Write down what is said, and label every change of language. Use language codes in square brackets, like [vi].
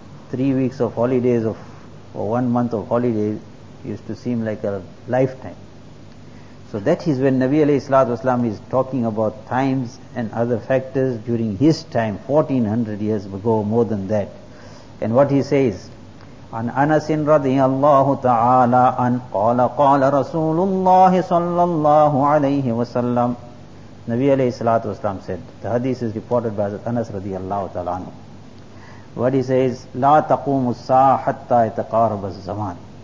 [en] 3 weeks of holidays or 1 month of holidays used to seem like a lifetime. So that is when Nabi alayhi salatu wasalam is talking about times and other factors during his time, 1400 years ago, more than that. And what he says, [ar] عن أنس رضي الله تعالى عن قال قال رسول الله صلى الله عليه وسلم. [en] Nabi alayhi salatu wasalam said, the hadith is reported by Anas رضي الله تعالى عنه. What he says, [ar] لا تقوم الساعة حتى يتقارب الزمان.